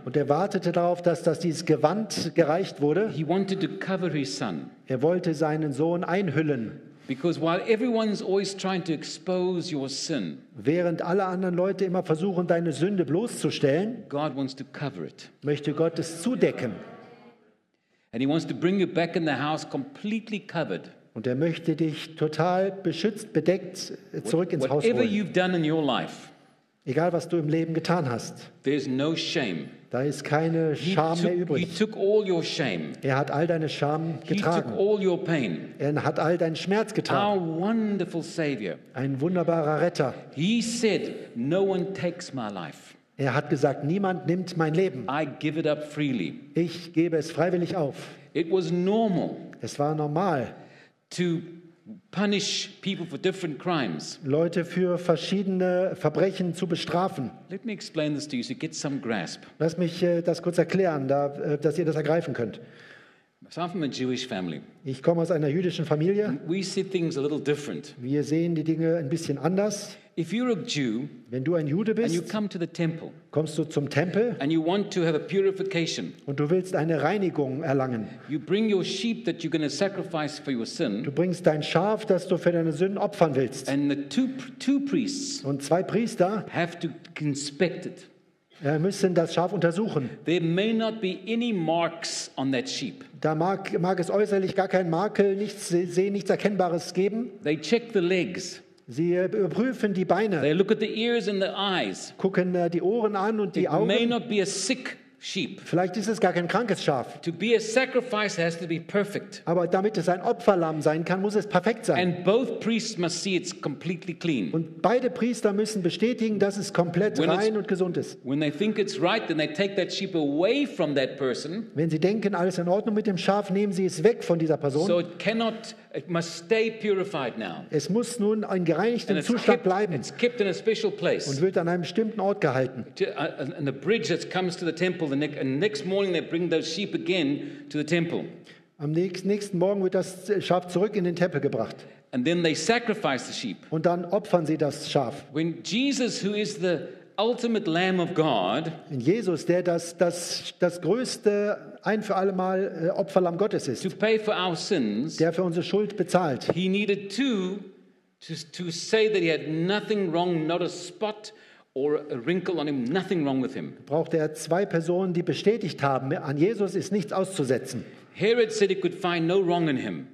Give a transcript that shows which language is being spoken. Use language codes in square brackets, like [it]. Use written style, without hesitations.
[de] Und er wartete darauf, dass dieses Gewand gereicht wurde. [en] He wanted to cover his son. [de] Er wollte seinen Sohn einhüllen. [en] Because while everyone's always trying to expose your sin, [de] während alle anderen Leute immer versuchen, deine Sünde bloßzustellen, [en] God wants to cover it. [de] Möchte Gott es zudecken. [en] And he wants to bring you back in the house completely covered. [de] Und er möchte dich total beschützt, bedeckt zurück ins Haus holen. [en] You've done in your life, [de] Egal, was du im Leben getan hast. [en] There's no shame. [de] Da ist keine Scham mehr übrig. [en] He took all your shame. [de] Er hat all deine Scham getragen. [en] He took all your pain. [de] Er hat all deinen Schmerz getragen. [en] Our wonderful Savior. [de] Ein wunderbarer Retter. [en] He said, no one takes my life. [de] Er hat gesagt, niemand nimmt mein Leben. [en] I give it up freely. [de] Ich gebe es freiwillig auf. [en] It was normal. [de] Es war normal. [en] To punish people for different crimes. [de] Leute für verschiedene Verbrechen zu bestrafen. [en] Let me explain this to you so you get some grasp. [de] Lass mich das kurz erklären, dass ihr das ergreifen könnt. [en] I'm from a Jewish family. [de] Ich komme aus einer jüdischen Familie. [en] We see things a little different. [de] Wir sehen die Dinge ein bisschen anders. [en] If you're a Jew, [de] wenn du ein Jude bist, [en] and you come to the temple, [de] kommst du zum Tempel, [en] and you want to have a purification, [de] und du willst eine Reinigung erlangen, [en] you bring your sheep that you're going to sacrifice for your sin, [de] du bringst dein Schaf, das du für deine Sünden opfern willst, [en] and the two priests, [de] und zwei Priester, [en] have to inspect it. [de] Wir müssen das Schaf untersuchen. [en] There may not be any marks on that sheep. [de] Da mag es äußerlich gar keinen Makel, nichts Erkennbares geben. [en] They check the legs. [de] Sie überprüfen die Beine. [en] They look at the ears and the eyes. [de] Gucken die Ohren an und die Augen. [en] It may not be a sick sheep. [de] Vielleicht ist es gar kein krankes Schaf. [en] To be a sacrifice has to be perfect. [de] Aber damit es ein Opferlamm sein kann, muss es perfekt sein. [en] And both priests must see it's completely clean. [de] Und beide Priester müssen bestätigen, dass es komplett [en] when [de] rein und gesund ist. [en] When they think it's right, then they take that sheep away from that person. [de] Wenn sie denken, alles in Ordnung mit dem Schaf, nehmen sie es weg von dieser Person. [en] So it cannot. It must stay purified now. [de] Es muss nun in gereinigtem Zustand bleiben. [en] It's kept in a special place. [de] Und wird an einem bestimmten Ort gehalten. [en] And the bridge that comes to the temple, the next morning they bring those sheep again to the temple. [de] Am nächsten Morgen wird das Schaf zurück in den Tempel gebracht. [en] And then they sacrifice the sheep. [de] Und dann opfern sie das Schaf. [en] When Jesus, who is the ultimate Lamb of God, [de] in Jesus, der das größte ein für alle Mal Opferlamm Gottes ist, [en] to pay for our sins, [de] der für unsere Schuld bezahlt. [en] He needed to say that he had nothing wrong, not a spot or a wrinkle on him, nothing wrong with him. [de] Brauchte er zwei Personen, die bestätigt haben, an Jesus ist nichts auszusetzen. [en] Herod said he could find no wrong in him.